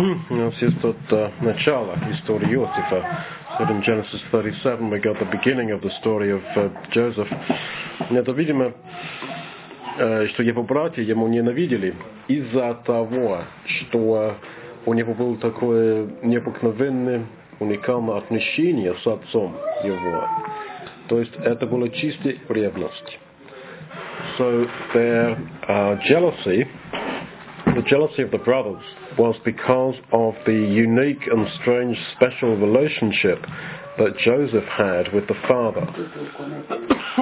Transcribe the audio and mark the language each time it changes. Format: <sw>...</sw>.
<ru>У нас есть тут начало истории Иосифа.</ru> <en>In Genesis 37, we got the beginning of the story of Joseph.</en> <ru>Это, видимо, что его братья ему ненавидели из-за того, что у него было такое необыкновенное, уникальное отношение с отцом его. То есть это была чистая ревность.</ru> <en>So their jealousy of the brothers was because of the unique and strange special relationship that Joseph had with the father.</en>